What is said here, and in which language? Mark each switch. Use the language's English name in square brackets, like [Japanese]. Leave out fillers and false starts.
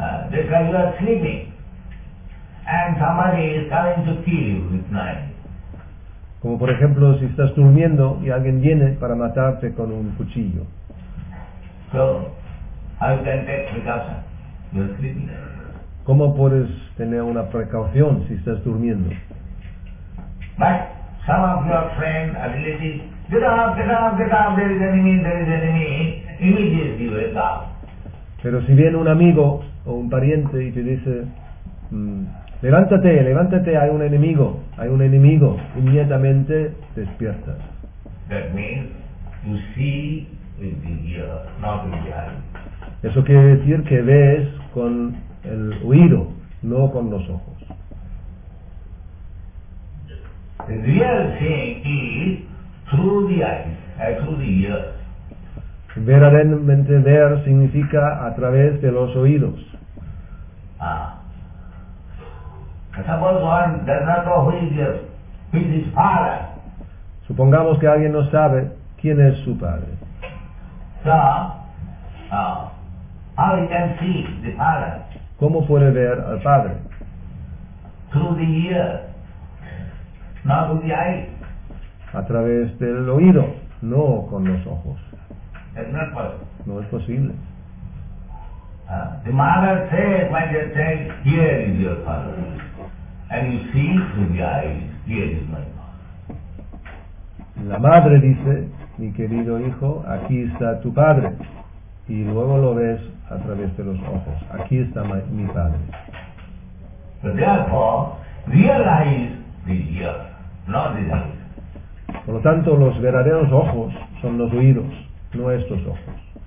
[English] Because you are sleeping and somebody is coming to kill you with knife. [Spanish] Como por ejemplo, si estás durmiendo y alguien viene para matarte con un cuchillo. [English] So, how you can take precaution? You are sleeping. [Spanish] ¿Cómo puedes tener una precaución si estás durmiendo? [English] But some of your friends or relatives, get up, there is enemy, immediately you wake up. [Spanish] Pero si viene un amigo o un pariente y te dice, levántate, hay un enemigo, inmediatamente despiertas. [English] That means you see with the ear, not with the eye. [Spanish] Eso quiere decir que ves con el oído, no con los ojos. [English] The real thing is through the eyes, through the ears. [Spanish] Verdaderamente ver significa a través de los oídos. [English] Suppose one does not know who is his father. [Spanish] Supongamos que alguien no sabe quién es su padre. [English] So, how he can see the father? [Spanish] ¿Cómo puede ver al padre? [English] Through the ear, not with the eye. [Spanish] A través del oído, no con los ojos. [English] That's not possible. [Spanish] No es posible. [English] The mother says, when they say, here is your father. And you see through the eyes, here is my father. [Spanish] La madre dice, mi querido hijo, aquí está tu padre. Y luego lo ves a través de los ojos. Aquí está mi padre. [English] So therefore, realize the ear, not the eyes. [Spanish] Por lo tanto, los verdaderos ojos son los oídos, no estos ojos.